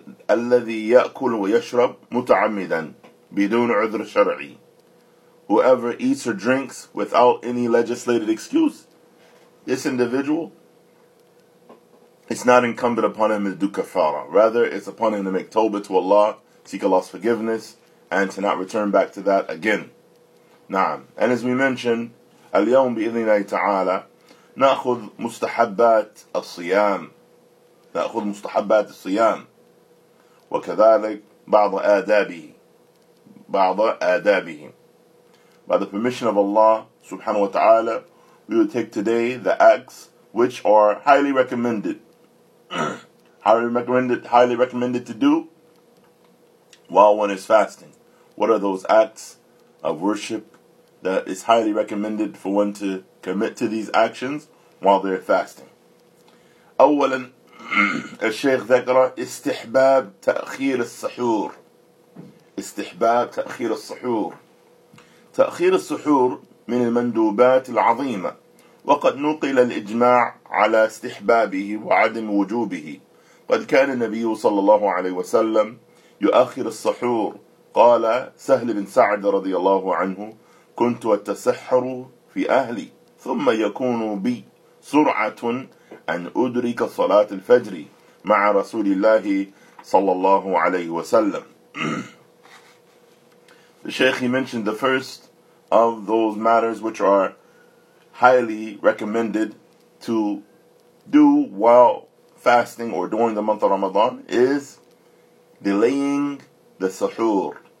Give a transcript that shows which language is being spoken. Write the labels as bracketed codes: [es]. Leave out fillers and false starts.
[ar] الذي يأكل ويشرب متعمدا بدون عذر شرعي. [en] Whoever eats or drinks without any legislated excuse. This individual, it's not incumbent upon him to do kafara. Rather, it's upon him to make tawbah to Allah, seek Allah's forgiveness, and to not return back to that again. Na'am. And as we mentioned, [ar] اليوم بإذن الله تعالى نأخذ مستحبات الصيام. نأخذ مستحبات الصيام. وكذلك بعض آدابه. بعض آدابه. [en] By the permission of Allah subhanahu wa ta'ala, we will take today the acts which are highly recommended. highly recommended to do while one is fasting. What are those acts of worship that is highly recommended for one to commit to these actions while they're fasting? [ar] أولا الشيخ ذكر استحباب تأخير السحور. استحباب تأخير السحور. تأخير السحور من المندوبات العظيمة. وقد نقل الإجماع على استحبابه وعدم وجوبه. قد كان النبي صلى الله عليه وسلم يؤخر السحور. قال سهل بن سعد رضي الله عنه كنت أتسحر في أهلي ثم يكون بي سرعة أن أدرك صلاة الفجر مع رسول الله صلى الله عليه وسلم. [en] The Sheikh, he mentioned the first of those matters which are highly recommended to do while fasting or during the month of Ramadan is delaying the suhoor.